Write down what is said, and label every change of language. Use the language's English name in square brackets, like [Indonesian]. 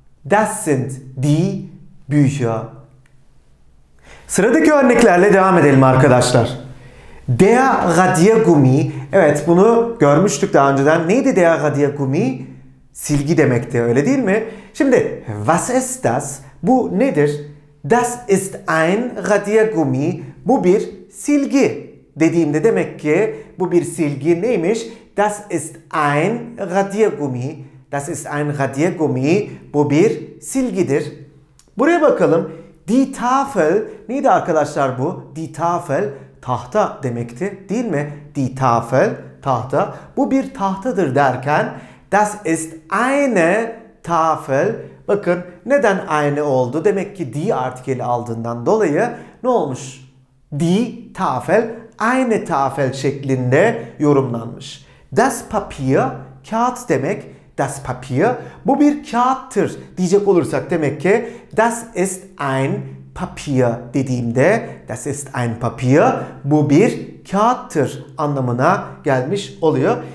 [German] Das sind die Bücher. [Turkish] Sıradaki örneklerle devam edelim arkadaşlar. Der Radiergummi. Evet, bunu görmüştük daha önceden. Neydi der Radiergummi? Silgi demekti, öyle değil mi? Şimdi, [German] was ist das? [Turkish] Bu nedir? [German] Das ist ein Radiergummi. [Turkish] Bu bir silgi dediğimde demek ki bu bir silgi neymiş? [German] Das ist ein Radiergummi. Das ist ein Radiergummi. [Turkish] Bu bir silgidir. Buraya bakalım. Die Tafel. Neydi arkadaşlar bu? Die Tafel. Tahta demekti değil mi? Die Tafel. Tahta. Bu bir tahtadır derken [German] das ist eine Tafel. [Turkish] Bakın neden aynı oldu? Demek ki die artikeli aldığından dolayı ne olmuş? Die Tafel, eine Tafel şeklinde yorumlanmış. Das Papier, kağıt demek. Das Papier, bu bir kağıttır diyecek olursak demek ki [German] das ist ein Papier [Turkish] dediğimde das ist ein Papier, bu bir kağıttır anlamına gelmiş oluyor.